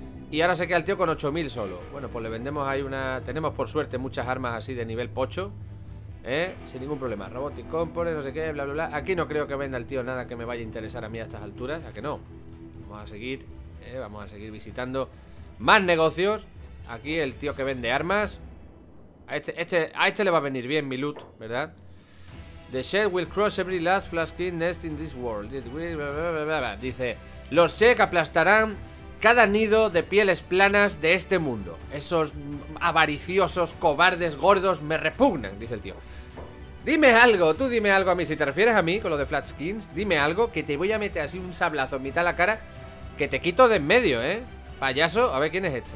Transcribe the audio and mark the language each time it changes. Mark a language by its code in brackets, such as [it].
[es] Y ahora se queda el tío con 8.000 solo. Bueno, pues le vendemos ahí una... Tenemos por suerte muchas armas así de nivel pocho, ¿eh? Sin ningún problema. Robotic Component, no sé qué, bla, bla, bla. Aquí no creo que venda el tío nada que me vaya a interesar a mí a estas alturas, ¿a que no? Vamos a seguir, ¿eh? Vamos a seguir visitando más negocios. Aquí el tío que vende armas. A este le va a venir bien mi loot, ¿verdad? [en] The Shed will crush every last flasking nest in this world. [es] Dice, los Shed aplastarán cada nido de pieles planas de este mundo. Esos avariciosos, cobardes, gordos me repugnan, dice el tío. Dime algo, tú dime algo a mí. Si te refieres a mí con lo de flat skins, dime algo, que te voy a meter así un sablazo en mitad de la cara, que te quito de en medio, payaso, a ver quién es este.